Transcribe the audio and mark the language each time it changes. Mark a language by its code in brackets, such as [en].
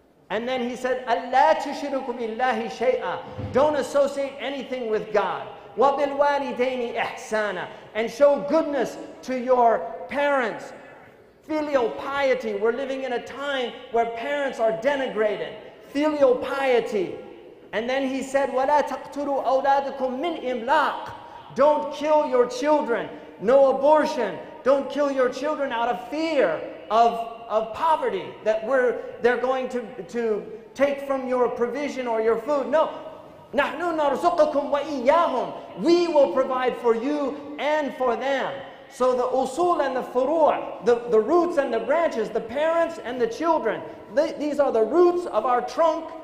[en] And then he said, [ar] Allah tushiruku billahi shay'a. [en] Don't associate anything with God. [ar] وَبِالْوَالِدَيْنِ إِحْسَانًا. [en] And show goodness to your parents. Filial piety. We're living in a time where parents are denigrated. Filial piety. And then he said, [ar] وَلَا تَقْتُلُوا أَوْلَادُكُمْ مِنْ إِمْلَاقٍ. [en] Don't kill your children. No abortion. Don't kill your children out of fear of poverty, that they're going to take from your provision or your food. No. [ar] نَحْنُ نَرْزُقَكُمْ وَإِيَّاهُمْ. [en] We will provide for you and for them. So the usul and the furu', the roots and the branches, the parents and the children, these are the roots of our trunk.